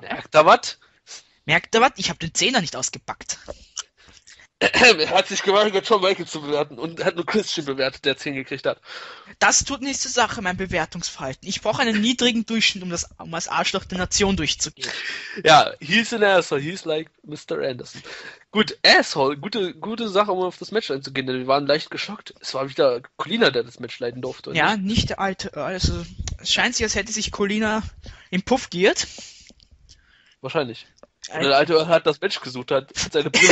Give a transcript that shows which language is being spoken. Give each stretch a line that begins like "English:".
German: Merkt da was? Merkt ihr was? Ich habe den Zehner nicht ausgepackt. Er hat sich geweigert, Shawn Michaels zu bewerten, und hat nur Christian bewertet, der 10 gekriegt hat. Das tut nichts zur Sache, mein Bewertungsverhalten. Ich brauche einen niedrigen Durchschnitt, um als Arschloch der Nation durchzugehen. Ja,
English: he's an asshole, he's like Mr. Anderson.
German: Gut, asshole, gute Sache, um auf das Match einzugehen, denn wir waren leicht geschockt. Es war wieder Colina, der das Match leiten durfte und Ja, nicht. nicht der alte Earl. Also, es scheint sich, als hätte sich Colina im Puff geirrt. Wahrscheinlich. Und der Er alte Earl hat das Match gesucht, hat seine Brille